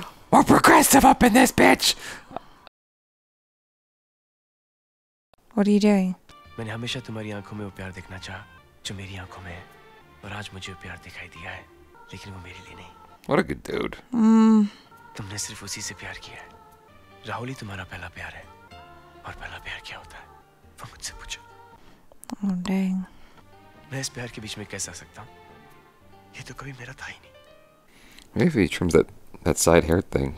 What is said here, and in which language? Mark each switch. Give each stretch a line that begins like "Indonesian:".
English: We're progressive up in this, bitch! What are you doing?
Hindi: मैंने हमेशा तुम्हारी आंखों में वो प्यार देखना चाहा जो मेरी आंखों में है और आज मुझे वो प्यार दिखाई दिया है लेकिन वो मेरे लिए नहीं.
English: What a good dude.
Hindi: तुमने सिर्फ उसी से प्यार किया है. राहुल ही तुम्हारा पहला प्यार है. और पहला प्यार क्या होता है? वो मुझसे पूछो.
English: Oh dang.
Hindi: मैं इस प्यार के बीच में कैसे आ सकता हूँ? ये तो कभी मेरा था ही नहीं.
English: Maybe he trims that side hair thing.